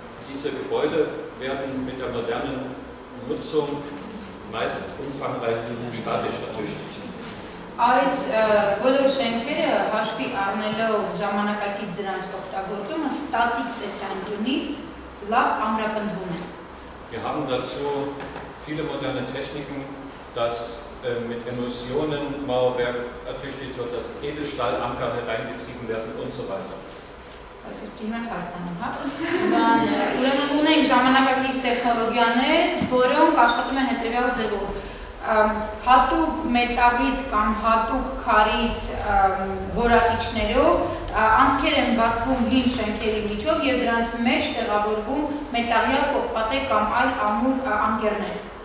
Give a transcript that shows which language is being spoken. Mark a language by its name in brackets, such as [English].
[German] Diese Gebäude werden mit der modernen Nutzung meist umfangreich statisch ertüchtigt. [Armenian] Այս բոլոր շենքերը հաշվի առնելով ժամանակակից դրանց օգտագործումը ստատիկ տեսանկյունից լավ ամրապնդվում են։ [German] Wir haben dazu viele moderne Techniken, dass mit Emulsionen Mauerwerk ertüchtigt wird, dass Edelstahlanker hereingetrieben werden und so weiter. Also ich gehe mal tarifan und habe. [Armenian] Ուրեմն ունենք ժամանակակից տեխնոլոգիաներ, որոնք աշխատում են հետևյալ ձևով. Հատուկ մետաղից կամ հատուկ քարից հորակիչներով անցքեր են բացվում հին շենքերի միջով եւ դրանց մեջ տեղավորվում մետաղյա կողպատե կամ այլ ամուր անկերներ։